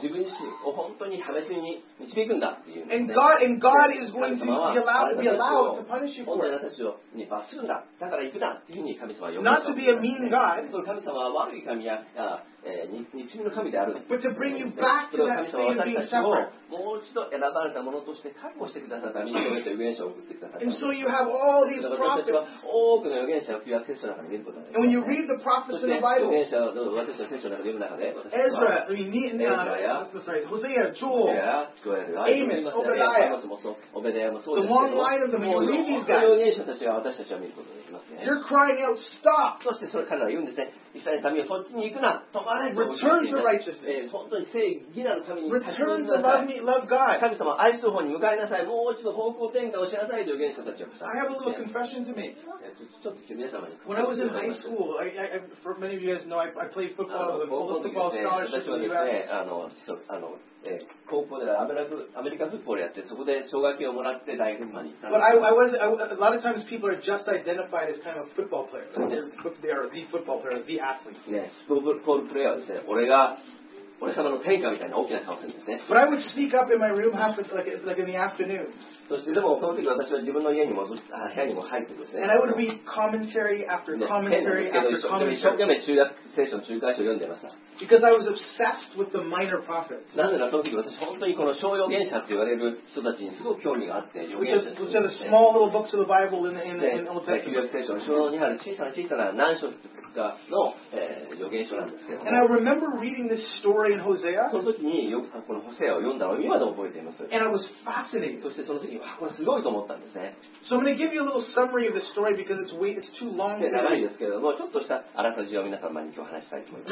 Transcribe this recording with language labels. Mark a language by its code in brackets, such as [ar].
[en] And God is going to be allowed to punish you for it. Not to be a mean God, but to bring you back to that state of being separate. [ja] もう一度選ばれたものとして確保してくださった民衆の預言者を送ってくださった。 [en] And so you have all these prophets. [ja] 私たちは多くの預言者を旧約聖書の中に見ることができる。 [en] And when you read the prophets in the Bible, [ja] 預言者を私たちの聖書の中で読む中で、 [en] Ezra, I mean, Hosea, Joel, Amos, Obadiah, the long line of them, when you read these guys, [ja] 預言者たちは私たちを見ることができますね。 [en] You're crying out, stop! [ja] そしてそれ彼らは言うんですね。イスラエルの民はそっちに行くな。止まれ。 [en] Return to righteousness. [ja] 本当に正義なる民に立ち向かいなさい。 [en] Return to love me, love God. [ja] 神様愛する方に向かいなさい。もう一度方向転換をしなさいという預言者たちは。 [en] I have a little confession to make. When I was in high school, for many of you guys know, I played football with a football scholarship in the U.S. [ja] 私はですね、高校でアメリカフットボールやって、そこで奨学金をもらって大学まで行ったんです。 [en] But a lot of times people are just identified as kind of football players. They are the football player, the athlete. [ja] ね、スポーツプレーヤーですね。俺様の天下みたいな大きな顔してるんですね。 [en] But I would sneak up in my room half like in the afternoon. [ja] そしてでもその時私は自分の家にも部屋にも入ってですね。 [en] And I would read commentary after commentary after commentary. [ja] 懸命中学聖書の中間書を読んでました。 [en] Because I was obsessed with the minor prophets. [ja] なぜならその時私本当にこの小預言者って言われる人たちにすごく興味があって、預言者って。 [en] Which are the small little books of the Bible in Old Testament. [ja] 旧約聖書の書にある小さな何章かの、預言書なんですけど。 [en] And I remember reading this story in Hosea. [ja] その時によくこのホセアを読んだのを今でも覚えています。 [en] And I was fascinated. [ja] そしてその時はこれすごいと思ったんですね。 [en] So I'm going to give you a little summary of the story because it's too long. [ja] 長いですけれども、ちょっとしたあらすじを皆様に今日話したいと思います。